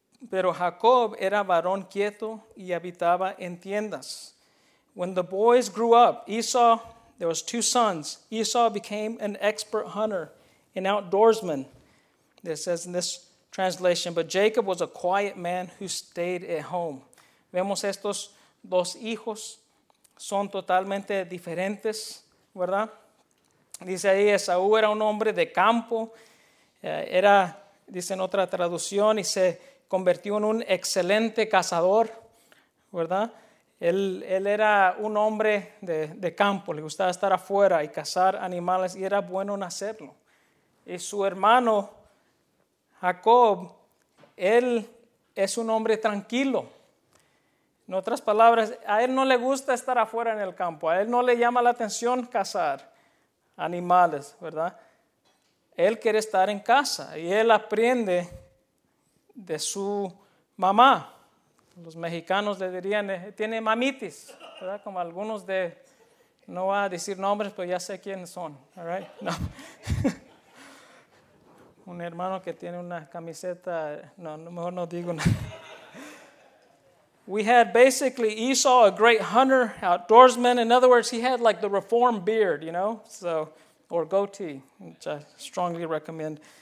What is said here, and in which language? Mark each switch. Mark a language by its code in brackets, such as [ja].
[es] Pero Jacob era varón quieto y habitaba en tiendas. [en] When the boys grew up, Esau, there was two sons. Esau became an expert hunter, an outdoorsman, it says in this translation. But Jacob was a quiet man who stayed at home. [es] Vemos estos dos hijos son totalmente diferentes, ¿verdad? Dice ahí, Esaú era un hombre de campo. Era, dice en otra traducción, y se convirtió en un excelente cazador, ¿verdad? Él era un hombre de campo. Le gustaba estar afuera y cazar animales y era bueno en hacerlo. Y su hermano, Jacob, él es un hombre tranquilo. En otras palabras, a él no le gusta estar afuera en el campo. A él no le llama la atención cazar animales, ¿verdad? Él quiere estar en casa y él aprende de su mamá. Los mexicanos le dirían, tiene mamitis, ¿verdad? Como algunos de, no voy a decir nombres, pero ya sé quiénes son, [en] all right? [es] No. Un hermano que tiene una camiseta, no, mejor no digo nada. [en] We had basically Esau, a great hunter, outdoorsman. In other words, he had like the reform beard, you know, so, or goatee, which I strongly recommend.